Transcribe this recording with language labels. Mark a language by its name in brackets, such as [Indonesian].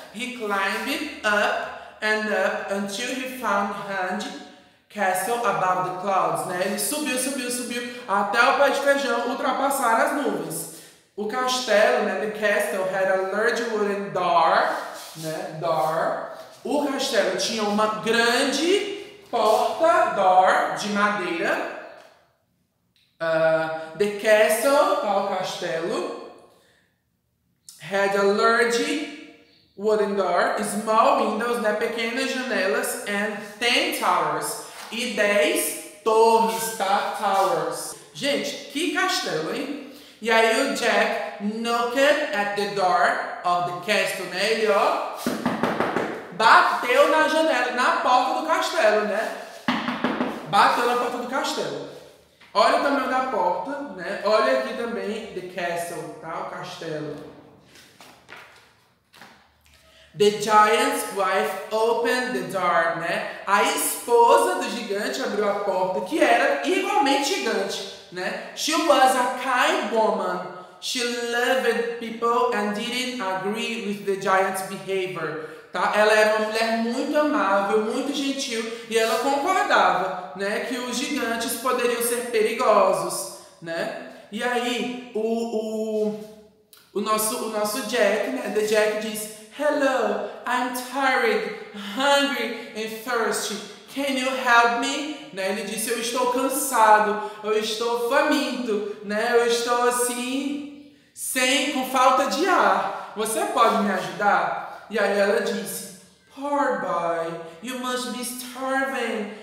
[English] He climbed up and up until he found Hand Castle above the clouds, né? [Portuguese] Ele subiu, subiu, subiu até o pé de feijão ultrapassar as nuvens. O castelo, né? [English] The castle had a large wooden door, né? Door. [Portuguese] O castelo tinha uma grande porta, door, de madeira. [English] The Castle, [Portuguese] tal castelo. [English] Had a large wooden door, small windows, né, [Portuguese] pequenas janelas, [English] and 10 towers, [Portuguese] e 10 torres, [English] tá, towers. [Portuguese] Gente, que castelo, hein? E aí o Jack [English] knocked at the door of the castle, [Portuguese] né, ele, ó, bateu na janela, na porta do castelo, né, bateu na porta do castelo. Olha o tamanho da porta, né, olha aqui também, the castle, tá, o castelo. [English] The giant's wife opened the door, né? [Portuguese] A esposa do gigante abriu a porta, que era igualmente gigante, né? [English] She was a kind woman. She loved people and didn't agree with the giant's behavior. [Portuguese] Tá? Ela era uma mulher muito amável, muito gentil, e ela concordava, né, que os gigantes poderiam ser perigosos, né? E aí o nosso Jack, né? [English] The Jack diz: Hello, I'm tired, hungry and thirsty. Can you help me? Né? [Portuguese] Ele disse: Eu estou cansado, eu estou faminto, né? Eu estou assim, sem, com falta de ar. Você pode me ajudar? E aí ela disse: [English] Poor boy, you must be starving.